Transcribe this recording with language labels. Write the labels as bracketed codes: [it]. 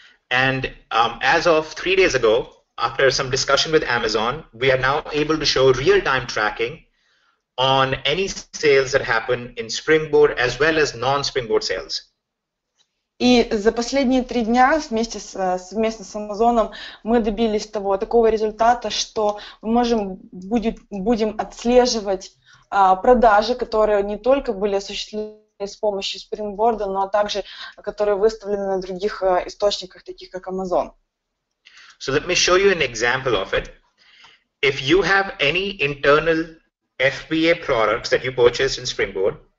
[en] And as of 3 days ago, after some discussion with Amazon, we are now able to show real-time tracking on any sales that happen in Springboard as well as non-Springboard sales. [ru] И за последние 3 дня совместно с Амазоном мы добились такого результата, что мы будем отслеживать продажи, которые не только были осуществлены с помощью Springboard, но также которые выставлены на других источниках, таких как Amazon. [en] So let me show you an example of it. If you have any internal FBA products that you purchased in Springboard,